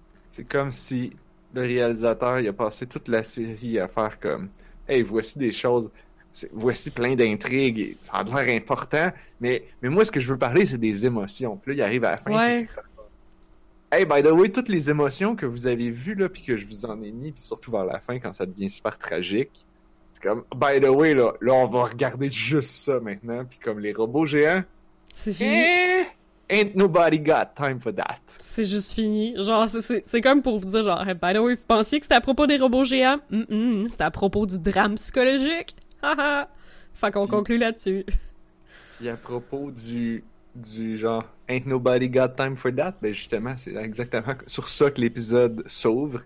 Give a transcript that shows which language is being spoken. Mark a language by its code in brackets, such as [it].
[fr] C'est comme si le réalisateur il a passé toute la série à faire comme « Hey, voici des choses... » Voici plein d'intrigues, et ça a l'air important, mais moi, ce que je veux parler, c'est des émotions. Puis là, il arrive à la fin. Ouais. Hey, [en] by the way, [fr] toutes les émotions que vous avez vues, là, puis que je vous en ai mis, puis surtout vers la fin, quand ça devient super tragique, c'est comme, by the way, là, on va regarder juste ça maintenant, puis comme les robots géants. C'est fini. [en] Ain't nobody got time for that. [fr] C'est juste fini. Genre, c'est comme pour vous dire, genre, hey, by the way, vous pensiez que c'était à propos des robots géants? Mm-mm, c'était à propos du drame psychologique. Fait qu'on conclut là-dessus. Puis à propos du genre « [en] Ain't nobody got time for that [fr] », ben justement, c'est exactement sur ça que l'épisode s'ouvre.